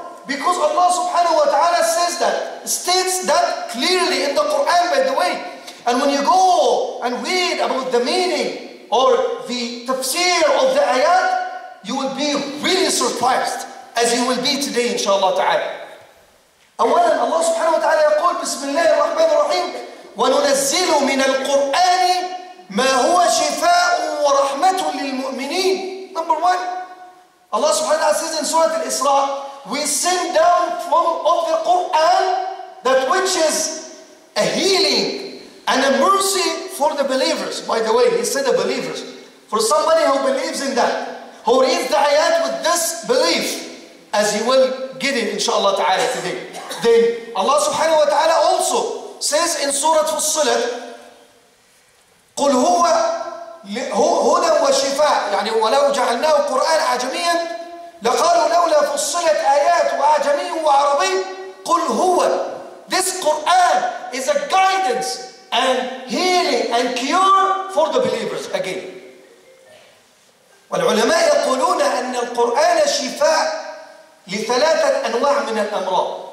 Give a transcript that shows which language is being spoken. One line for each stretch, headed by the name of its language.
English: Because Allah subhanahu wa ta'ala says that, states that clearly in the Quran, by the way. And when you go and read about the meaning or the tafsir of the ayat, you will be really surprised, as you will be today, inshallah ta'ala.
Arabic: أولاً الله سبحانه وتعالى يقول بسم الله الرحمن الرحيم وننزل من القرآن ما هو شفاء ورحمة للمؤمنين.
English: Number one,
Arabic: الله سبحانه وتعالى
English: says in سورة الإسراء, we send down from of the Quran that which is a healing and a mercy for the believers. By the way, he said the believers. For somebody who believes in that, who reads the ayat with this belief, as he will get it inshallah ta'ala today. Then Allah subhanahu wa ta'ala also says in Surah Fussilat,
Arabic: قُلْ هُوَ هُدًى وَشِفَاءٌ يعني وَلَوْ جَعَلْنَاهُ قُرْآنَ عَجَمِيًا لَقَالُوا لَوْلَا فُصِّلَتْ آيَاتُ وَعَجَمِيٌ وَعَرَبِيٌ قُلْ هُوَ.
English: This Quran is a guidance and healing and cure for the believers again.
Arabic: والعلماء يقولون أن القرآن شفاء لثلاثة أنواع من الأمراض.